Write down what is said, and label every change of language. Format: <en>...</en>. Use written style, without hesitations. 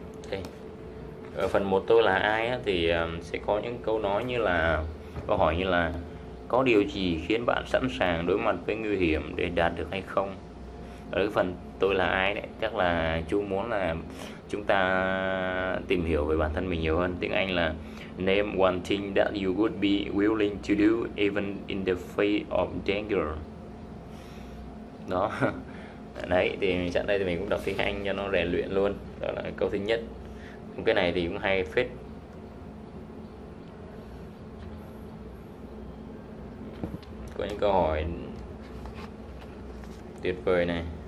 <vi>Đây. Ở phần 1 tôi là ai á, thì sẽ có những câu nói như là câu hỏi như là có điều gì khiến bạn sẵn sàng đối mặt với nguy hiểm để đạt được hay không? Ở cái phần tôi là ai đấy, chắc là chú muốn là chúng ta tìm hiểu về bản thân mình nhiều hơn. Tiếng Anh là</vi> <en>name one thing that you would be willing to do even in the face of danger.</en> <vi>Đó. Đấy, thì sẵn đây thì mình cũng đọc tiếng Anh cho nó rèn luyện luôn. Đó là câu thứ nhất. Cái này thì cũng hay phết. Có những câu hỏi tuyệt vời này.</vi>